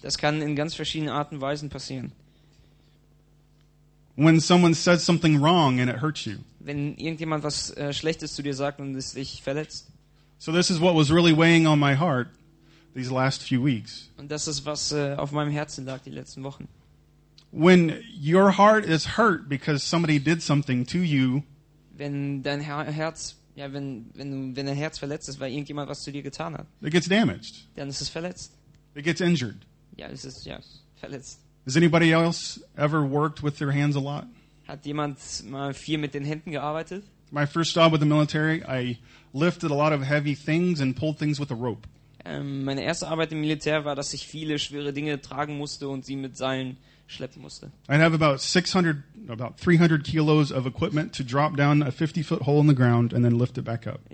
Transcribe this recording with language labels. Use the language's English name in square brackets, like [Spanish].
[German] Das kann in ganz verschiedenen Arten und Weisen passieren. [English] When someone says something wrong and it hurts you. [German] Wenn irgendjemand was Schlechtes zu dir sagt und es dich verletzt. [English] So this is what was really weighing on my heart these last few weeks. [German] Und das ist was auf meinem Herzen lag die letzten Wochen. [English] When your heart is hurt because somebody did something to you. [German] Wenn dein Herz wenn dein Herz verletzt ist, weil irgendjemand was zu dir getan hat. [English] It gets damaged. [German] Dann ist es verletzt. [English] It gets injured. [German] Ja, es ist ja verletzt. [English] Has anybody else ever worked with their hands a lot? [German] Hat jemand mal viel mit den Händen gearbeitet? [English] My first job with the military, I lifted a lot of heavy things and pulled things with a rope. [German] Meine erste Arbeit im Militär war, dass ich viele schwere Dinge tragen musste und sie mit Seilen schleppen musste. [English] I'd have about 300 kilos of equipment to drop down a 50-foot hole in the ground and then lift it back up.